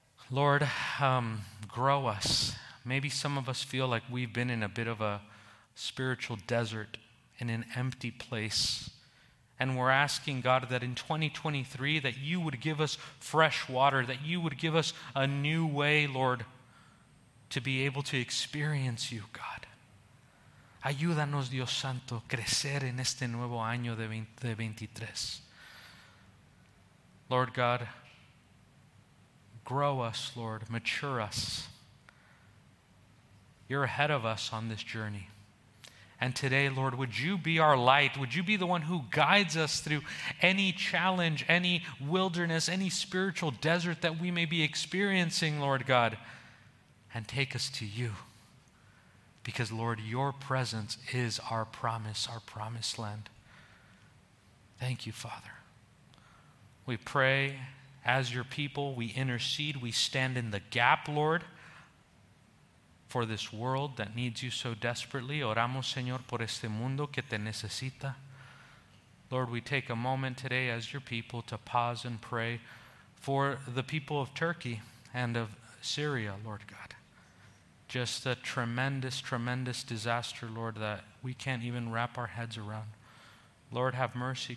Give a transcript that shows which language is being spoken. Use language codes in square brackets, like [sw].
[en] Lord, grow us. Maybe some of us feel like we've been in a bit of a spiritual desert, in an empty place. And we're asking, God, that in 2023 that you would give us fresh water, that you would give us a new way, Lord, to be able to experience you, God. [es] Ayúdanos, Dios Santo, crecer en este nuevo año de 2023. [en] Lord God, grow us, Lord, mature us. You're ahead of us on this journey. And today, Lord, would you be our light? Would you be the one who guides us through any challenge, any wilderness, any spiritual desert that we may be experiencing, Lord God, and take us to you? Because, Lord, your presence is our promised land. Thank you, Father. We pray as your people, we intercede, we stand in the gap, Lord, for this world that needs you so desperately. [es] Oramos, Señor, por este mundo que te necesita. [en] Lord, we take a moment today as your people to pause and pray for the people of Turkey and of Syria, Lord God. Just a tremendous, tremendous disaster, Lord, that we can't even wrap our heads around. Lord, have mercy.